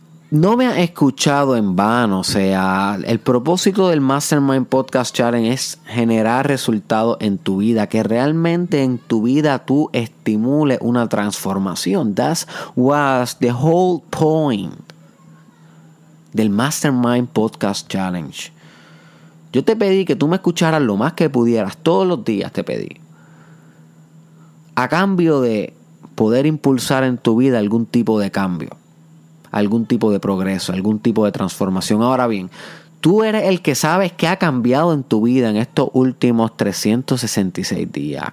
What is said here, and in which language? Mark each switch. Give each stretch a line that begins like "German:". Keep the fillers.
Spanish: no me has escuchado en vano. O sea, el propósito del Mastermind Podcast Challenge es generar resultados en tu vida, que realmente en tu vida tú estimules una transformación.
English: That was the whole point del Mastermind Podcast Challenge.
Spanish: Yo te pedí que tú me escucharas lo más que pudieras, todos los días te pedí. A cambio de poder impulsar en tu vida algún tipo de cambio algún tipo de progreso, algún tipo de transformación. Ahora bien, tú eres el que sabes qué ha cambiado en tu vida en estos últimos 366 días.